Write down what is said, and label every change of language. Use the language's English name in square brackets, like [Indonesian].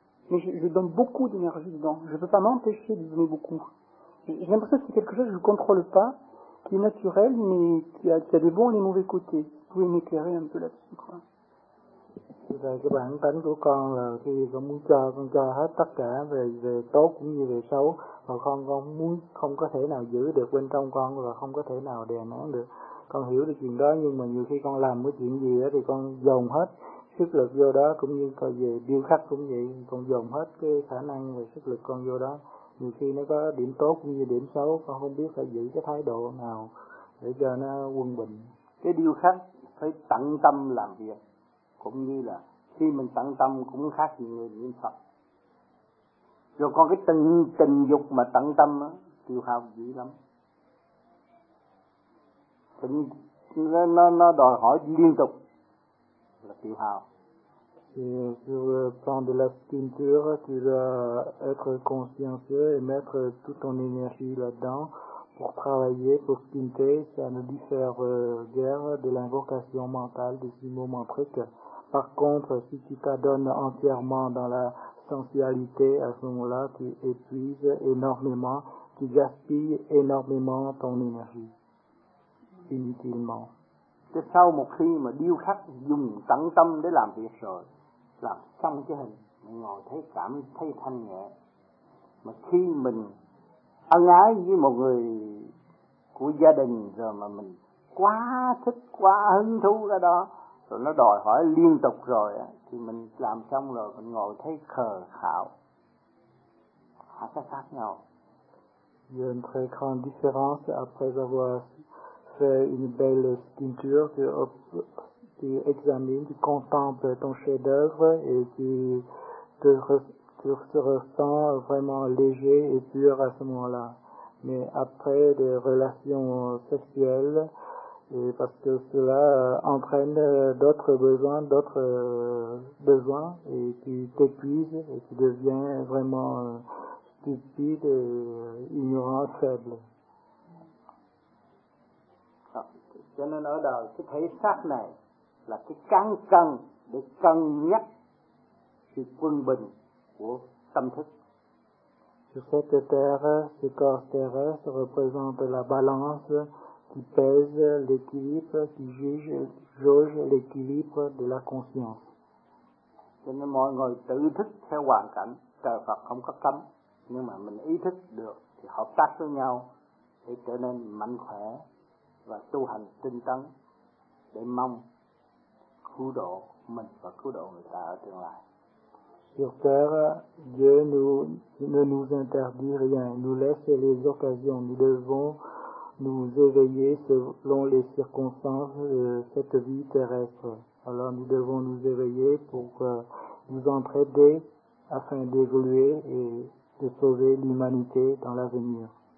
[French] Mais je donne beaucoup d'énergie dedans. Je ne peux pas m'empêcher de donner beaucoup. J'ai l'impression que c'est quelque chose que je ne contrôle pas, qui est naturel, mais qui a des bons et des mauvais côtés. Vous pouvez m'éclairer un peu là-dessus, quoi. [Vietnamese] Là, cái bản tánh của con là khi con cho hết tất cả về về tốt cũng như về xấu, mà con muốn không có thể nào giữ được bên trong con và không có thể nào đè nén được. Con hiểu được chuyện đó, nhưng mà nhiều khi con làm cái chuyện gì đó thì con dồn hết sức lực vô đó, cũng như coi về điêu khắc cũng vậy, con dồn hết cái khả năng và sức lực con vô đó. Nhiều khi nó có điểm tốt cũng như điểm xấu, con không biết phải giữ cái thái độ nào để cho nó quân bình. Cái điêu khắc phải tận tâm làm việc, cũng như là khi mình tận tâm cũng khác gì người niệm Phật. Rồi còn cái tình dục mà tận tâm á, tiêu hao dữ lắm. Nó đòi hỏi liên tục là tiêu hao. [French] Sur le plan de la sculpture, tu dois être consciencieux et mettre toute ton énergie là-dedans pour travailler, pour sculpter. Ça ne diffère guère de l'invocation mentale de ce moment précaire. Par contre, si tu t'adonnes entièrement dans la sensualité, à ce moment-là, tu épuises énormément, tu gaspilles énormément ton énergie, inutilement. C'est [Vietnamese] sau một khi mà điêu khắc dùng tận tâm để làm việc rồi, làm xong cái hình, mình ngồi thấy cảm thấy thanh nhẹ. Mà khi mình ân ái với một người của gia đình rồi mà mình quá thích, quá hứng thú cái đó, rồi nó đòi hỏi liên tục rồi á, thì mình làm xong rồi mình ngồi thấy khờ khạo. Hả, cái khác nhau. [French] Il y a une très grande différence après avoir fait une belle sculpture, tu examines, tu contemples ton chef-d'œuvre et tu te ressens vraiment léger et pur à ce moment-là. Mais après des relations sexuelles, et parce que cela entraîne d'autres besoins, et tu t'épuises, et tu deviens vraiment stupide et ignorant, faible. [Vietnamese] Cho nên ở đời cái thể xác này là cái cán cân để cân nhắc sự quân bình của tâm thức. [French] Sur cette terre, ce corps terrestre représente la balance qui pèse l'équilibre, qui jauge l'équilibre de la conscience. [Vietnamese] Cho nên mọi người tự thức theo hoàn cảnh, trời Phật không có cấm, nhưng mà mình ý thức được thì hợp tác với nhau để trở nên mạnh khỏe và tu hành tinh tấn để mong cứu độ mình và cứu độ người ta ở tương lai. [French] Sur terre, Dieu ne nous interdit rien, nous laisse les occasions. Nous devons nous éveiller selon les circonstances de cette vie terrestre. Alors nous devons nous éveiller pour nous entraider afin d'évoluer et de sauver l'humanité dans l'avenir.